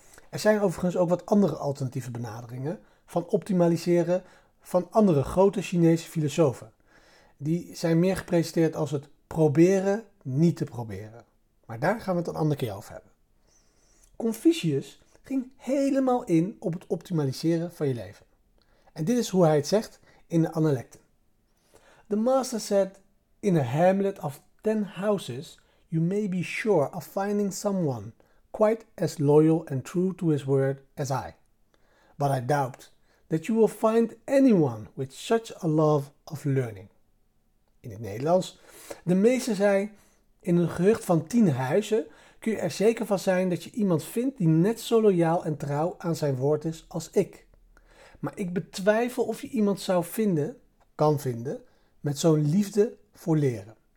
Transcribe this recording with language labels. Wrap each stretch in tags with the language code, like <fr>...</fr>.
<nl>Er zijn overigens ook wat andere alternatieve benaderingen van optimaliseren van andere grote Chinese filosofen. Die zijn meer gepresenteerd als het proberen niet te proberen. Maar daar gaan we het een andere keer over hebben. Confucius ging helemaal in op het optimaliseren van je leven. En dit is hoe hij het zegt in de Analecten.</nl> <en>The master said, in a hamlet of 10 houses, you may be sure of finding someone quite as loyal and true to his word as I. But I doubt that you will find anyone with such a love of learning.</en> <nl>In het Nederlands, de meester zei, in een gehucht van 10 huizen kun je er zeker van zijn dat je iemand vindt die net zo loyaal en trouw aan zijn woord is als ik. Maar ik betwijfel of je iemand zou vinden, kan vinden, met zo'n liefde voor leren.</nl>